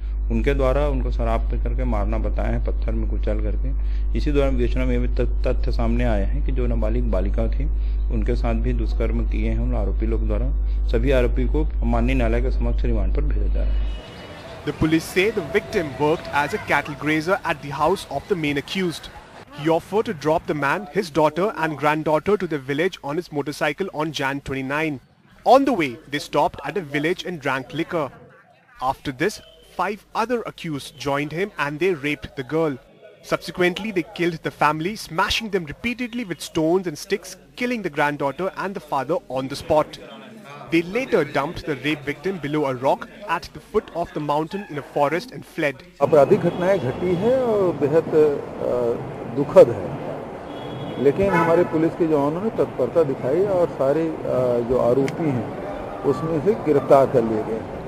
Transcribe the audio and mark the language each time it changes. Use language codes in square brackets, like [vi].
[hi] उनके द्वारा उनको शराब पे करके मारना बताया है पत्थर में कुचल करके इसी दौरान विवेचना में भी तथ्य सामने आए हैं कि जो नाबालिग बालिका थी उनके साथ भी दुष्कर्म किए हैं उन आरोपी लोग द्वारा सभी आरोपी को माननीय न्यायालय के समक्ष रिमांड पर भेजा जा रहा है [en] The police say the victim worked as a cattle grazer at the house of the main accused. He offered to drop the man, his daughter and granddaughter to the village on his motorcycle on Jan 29. On the way, they stopped at a village and drank liquor. After this, five other accused joined him and they raped the girl. Subsequently, they killed the family, smashing them repeatedly with stones and sticks, killing the granddaughter and the father on the spot. They later dumped the rape victim below a rock at the foot of the mountain in a forest and fled. [hi] अपराधी घटनाएं घटी हैं और बेहद दुखद है लेकिन हमारे पुलिस के जवानों ने तत्परता दिखाई और सारे जो आरोपी हैं उसमें से गिरफ्तार कर लिए गए